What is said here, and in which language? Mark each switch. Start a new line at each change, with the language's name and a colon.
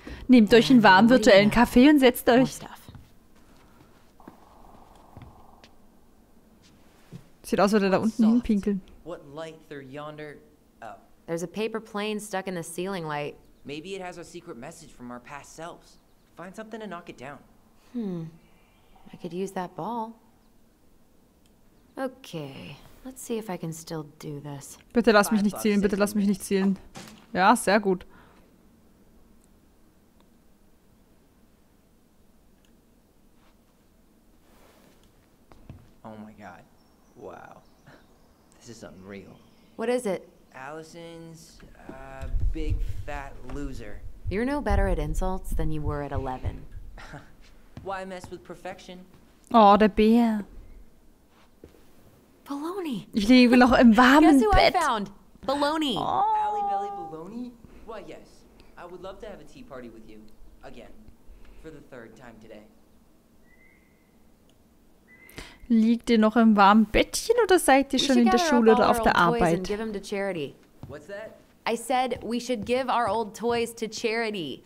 German: Nehmt euch einen warmen virtuellen Kaffee und setzt euch. Sieht aus, als würde er da unten hinpinkeln.
English: What light through yonder? Oh. There's a paper plane stuck in the ceiling light. Maybe it has a secret message from our past selves. Find something to knock it down. Hmm. I could use that ball. Okay. Let's see if I can still do this.
German: Bitte lass mich nicht zielen, bitte lass mich nicht zielen. Ja, sehr gut.
English: Oh my god. Wow. This is unreal. What is it? Allison's Big fat loser. You're no better at insults than you were at 11. Why mess with perfection?
German: Oh, der Bär.
English: Baloney.
German: Ich liege noch im warmen
English: Guess who
German: Bett.
English: I found? Baloney. Oh. Ali Belly Baloney? Why, yes. I would love to have a tea party with you. Again. For the third time today.
German: Liegt ihr noch im warmen Bettchen oder seid ihr schon in der Schule oder auf der Arbeit?
English: Give them to charity. What's that? I said we should give our old toys to charity.